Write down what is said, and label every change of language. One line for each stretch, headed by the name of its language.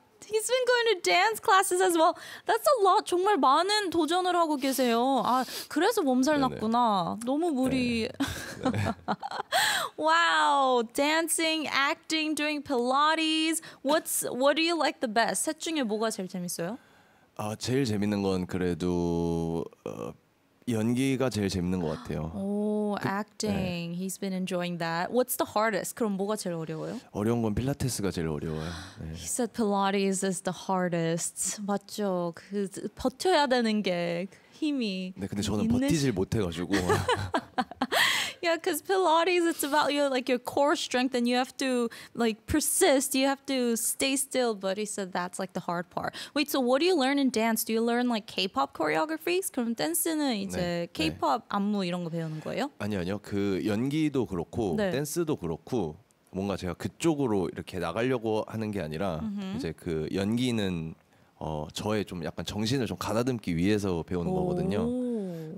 English: He's been going to dance classes as well. That's a lot.
Korean: 정말 많은 도전을 하고 계세요. 아, 그래서 몸살 네네. 났구나. 너무 무리. 와우. Wow.
English: Dancing, acting, doing Pilates. What do you like the best?
Korean: 셋 중에 뭐가 제일 재밌어요? 아, 제일 재밌는 건 그래도 연기가 제일 재밌는 것 같아요.
English: 오, acting. 네. He's been enjoying that. What's the hardest?
Korean: 그럼 뭐가 제일 어려워요? 어려운 건 필라테스가 제일 어려워요.
English: 네. He said Pilates is the hardest.
Korean: 맞죠? 그 버텨야 되는 게 힘이. 네, 근데 저는 버티질 못해가지고.
English: Yeah, because Pilates, it's about your like your core strength, and you have to like persist. You have to stay still. But he said that's like the hard part. Wait, so what do you learn in dance? Do you learn like K-pop choreographies?
Korean: 그럼 댄스는 이제 네, K-pop 네. 안무 이런 거 배우는 거예요? 아니요. 그 연기도 그렇고 네. 댄스도 그렇고 뭔가 제가 그쪽으로 이렇게 나가려고 하는 게 아니라 mm-hmm. 이제 그 연기는 저의 좀 약간 정신을 좀 가다듬기 위해서 배우는 거거든요.